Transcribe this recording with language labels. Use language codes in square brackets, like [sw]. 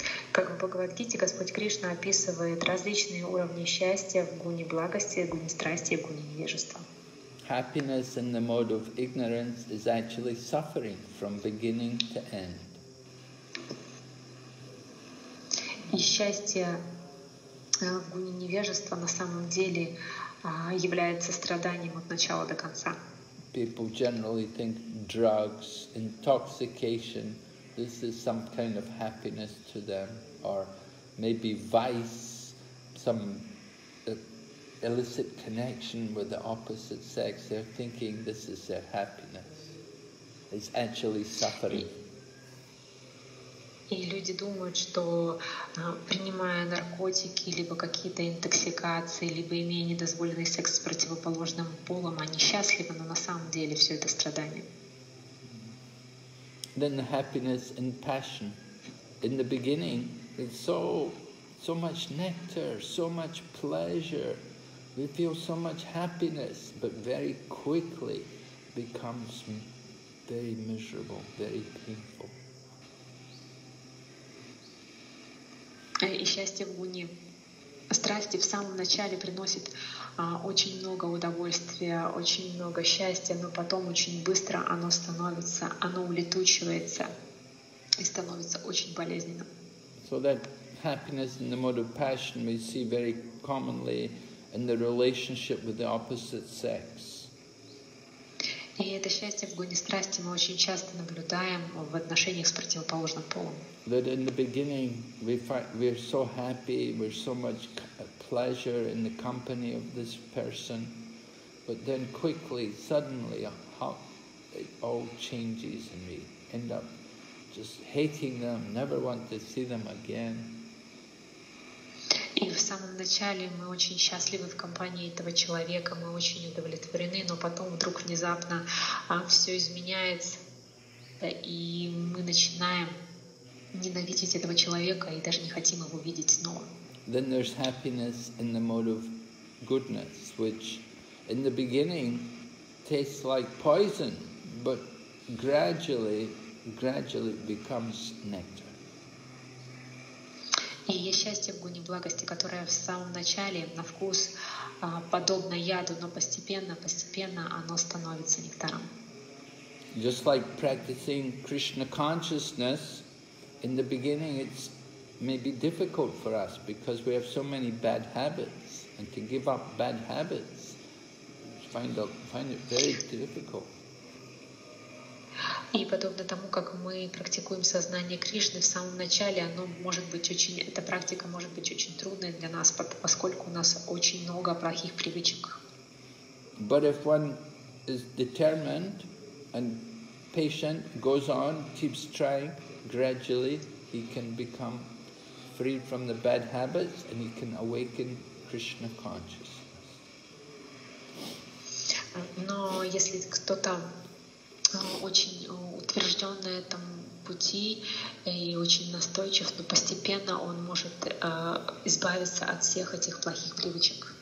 [ru] Как в Бхагавад-гите, Господь Кришна описывает различные уровни счастья в гуне благости, гуне страсти и гуне невежества. [en] Happiness in the mode of ignorance is actually suffering from beginning to end. [ru] И счастье в гуне невежества на самом деле является страданием от начала до конца. [en] People generally think drugs, intoxication, this is some kind of happiness to them. Or maybe vice, some illicit connection with the opposite sex, they're thinking this is their happiness. It's actually suffering. [ru] И люди думают, что принимая наркотики, либо какие-то интоксикации, либо имея недозволенный секс с противоположным полом, они счастливы, но на самом деле все это страдание. [en] Then the happiness and passion. In the beginning, it's so much nectar, so much pleasure. We feel so much happiness, but very quickly becomes very miserable, very painful. [ru] И счастье в гуне страсти в самом начале приносит очень много удовольствия, очень много счастья, но потом очень быстро оно улетучивается и становится очень болезненным. [en] So that happiness in the mode of passion we see very commonly in the relationship with the opposite sex. [ru] И это счастье в гуне страсти мы очень часто наблюдаем в отношениях с противоположным полом. [en] That in the beginning we're so happy, we're so much pleasure in the company of this person, but then quickly, suddenly, it all changes and we end up just hating them, never want to see them again. [ru] И в самом начале мы очень счастливы в компании этого человека, мы очень удовлетворены, но потом вдруг внезапно все изменяется, и мы начинаем ненавидеть этого человека и даже не хотим его видеть снова. [en] Then there's happiness in the mode of goodness, which in the beginning tastes like poison, but gradually becomes nectar. [ru] И есть счастье в гуне благости, которое в самом начале на вкус подобно яду, но постепенно оно становится нектаром. [en] Just like practicing Krishna consciousness, in the beginning it's maybe difficult for us because we have so many bad habits, and to give up bad habits, find it very difficult. [ru] И подобно тому, как мы практикуем сознание Кришны, в самом начале эта практика может быть очень трудной для нас, поскольку у нас очень много плохих привычек. [en] But if one is determined and patient, goes on, keeps trying, gradually he can become freed from the bad habits and he can awaken Krishna consciousness. [ru] Но если кто-то очень утвержден на этом пути и очень настойчив, но постепенно он может избавиться от всех этих плохих привычек.